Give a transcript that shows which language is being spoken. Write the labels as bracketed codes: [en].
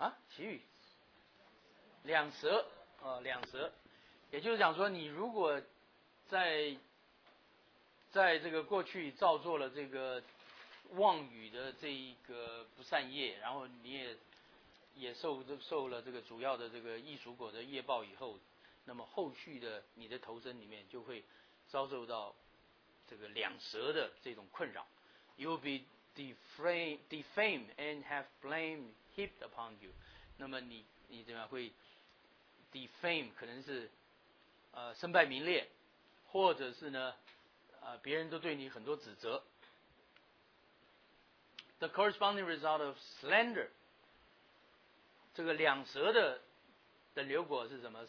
[zh] 奇语，两舌，也就是讲说，你如果在这个过去造作了这个妄语的这一个不善业，然后你也受了这个主要的这个异俗果的业报以后，那么后续的你的投身里面就会遭受到这个两舌的这种困扰。 [en] You will be defamed and have blame heaped upon you。 [zh] 那么你怎么样会 defame， 可能是身败名裂，或者是呢别人都对你很多指责。 [en] The corresponding result of slander， [zh] 这个两舌的等流果是什么？